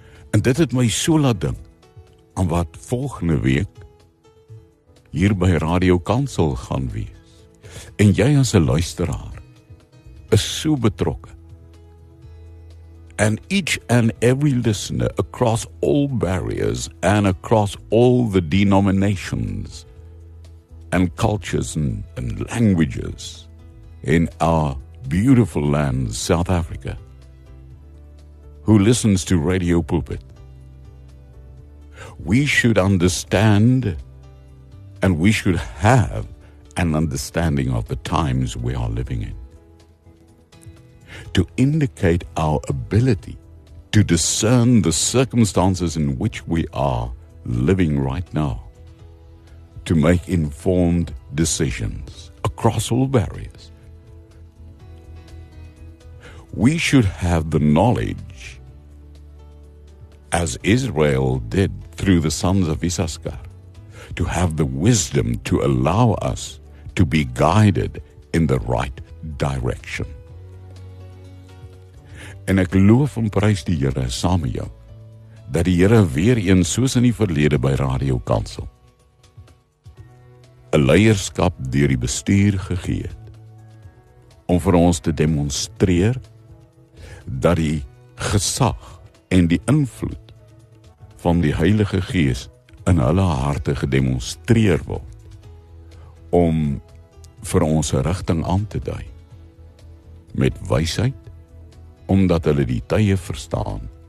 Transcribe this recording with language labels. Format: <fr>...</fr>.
<af>En dit het my so laat dink aan wat volgende week hier by Radio Kansel gaan wees. En jy as 'n luisteraar is so betrokke.</af> <en>And each and every listener across all barriers and across all the denominations and cultures and languages in our beautiful land, South Africa, who listens to Radio Pulpit, we should understand and we should have an understanding of the times we are living in. To indicate our ability to discern the circumstances in which we are living right now, to make informed decisions across all barriers. We should have the knowledge, as Israel did through the sons of Issachar, to have the wisdom to allow us to be guided in the right direction.</en> <af>En ek loof en prys die Here saam met jou, dat die Here weer een, soos in die verlede by Radio Kansel, 'n leierskap deur die bestuur gegee het, om vir ons te demonstreer, dat die gesag en die invloed van die Heilige Gees in hulle harte gedemonstreer word, om vir ons 'n rigting aan te dui, met wysheid, omdat hulle die tye verstaan.</af>